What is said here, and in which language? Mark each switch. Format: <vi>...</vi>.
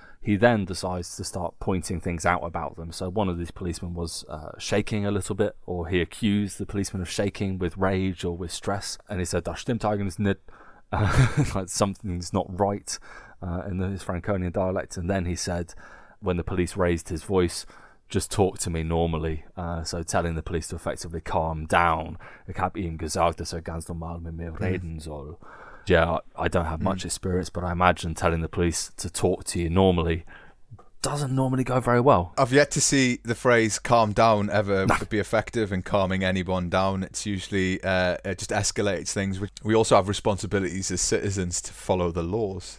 <en>He then decides to start pointing things out about them. So one of these policemen was shaking a little bit, or he accused the policeman of shaking with rage or with stress. And he said,</en> <de>"Das stimmt eigentlich nicht."</de> <en>Like something's not right in his Franconian dialect. And then he said, when the police raised his voice, "Just talk to me normally." So telling the police to effectively calm down.</en> <de>"Ich habe ihm gesagt, dass er ganz normal mit mir reden soll."</de> <en>Yeah, I don't have much experience, but I imagine telling the police to talk to you normally doesn't normally go very well. I've yet to see the phrase "calm down" ever be effective in calming anyone down. It's usually it just escalates things. We also have responsibilities as citizens to follow the laws.</en>